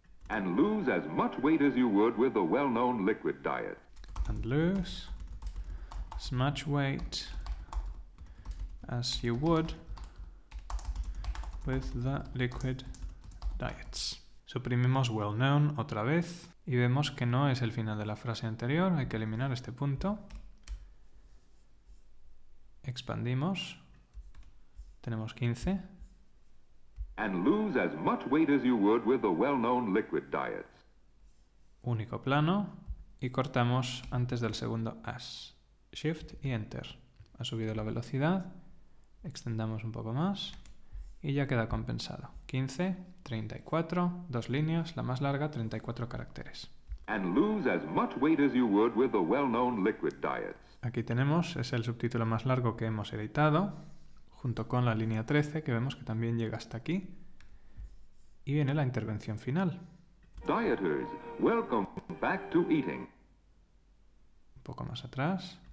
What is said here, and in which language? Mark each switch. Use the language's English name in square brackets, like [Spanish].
[English] and lose as much weight as you would with the well-known liquid diet. And lose as much weight as you would with the liquid diets. [Spanish] Suprimimos well-known otra vez y vemos que no es el final de la frase anterior, hay que eliminar este punto. Expandimos. Tenemos 15. [English] And lose as much weight as you would with the well-known liquid diets. [Spanish] Único plano y cortamos antes del segundo as. Shift y enter. Ha subido la velocidad. Extendamos un poco más y ya queda compensado. 15, 34, dos líneas, la más larga, 34 caracteres. [English] And lose as much weight as you would with the well-known liquid diets. [Spanish] Aquí tenemos, es el subtítulo más largo que hemos editado, junto con la línea 13, que vemos que también llega hasta aquí. Y viene la intervención final. [English] Dieters, welcome back to eating. [Spanish] Un poco más atrás.